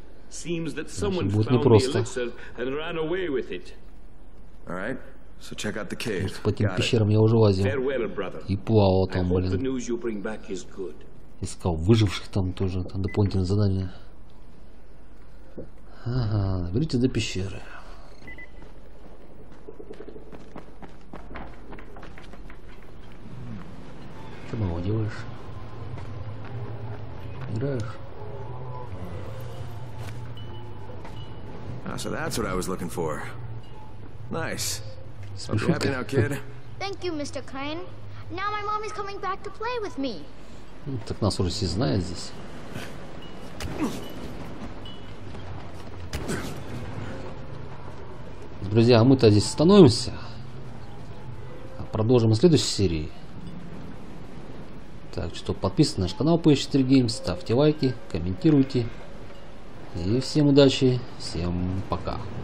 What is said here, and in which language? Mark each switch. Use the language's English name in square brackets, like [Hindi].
[English] Seems that someone found the elixir and ran away with it. All right, so check out the cave. [Russian] По этим пещерам я уже лазил. И плавал там, блин. Искал выживших там тоже. Там дополнительное задание. Ага, берите до пещеры. Что мы его делаешь? [English] Ah, so that's what I was looking for. Nice. So happy now, kid. Thank you, Mr. Crane. Now my mom is coming back to play with me. [Russian] Так нас уже все знают здесь. Друзья, а мы-то здесь остановимся. Продолжим в следующей серии. Так что подписывайтесь на наш канал PH4 Games, ставьте лайки, комментируйте. И всем удачи, всем пока.